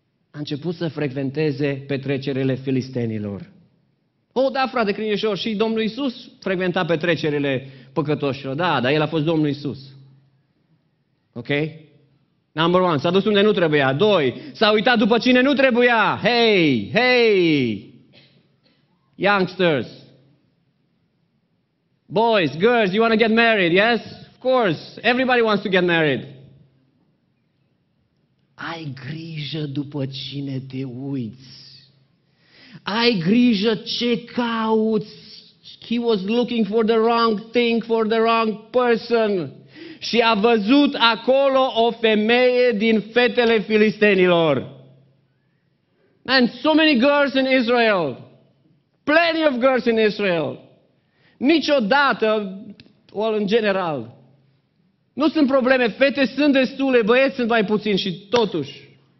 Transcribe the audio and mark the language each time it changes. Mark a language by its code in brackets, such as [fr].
[ro] A început să frecventeze petrecerile filistenilor. Oh, da, frate Crineșor, și Domnul Iisus frecventa petrecerile păcătoșilor. Da, dar el a fost Domnul Iisus. Ok? [en] Number one, [ro] s-a dus unde nu trebuia. Doi, s-a uitat după cine nu trebuia. Hey, hey! [en] Youngsters, boys, girls, you want to get married, yes? Of course, everybody wants to get married. [ro] Ai grijă după cine te uiți. Ai grijă ce cauți. [en] He was looking for the wrong thing, for the wrong person. [ro] Și a văzut acolo o femeie din fetele filistenilor. [en] And so many girls in Israel. Plenty of girls in Israel. [ro] Niciodată, well, în general. Nu sunt probleme, fete sunt destule, băieți sunt mai puțini și totuși.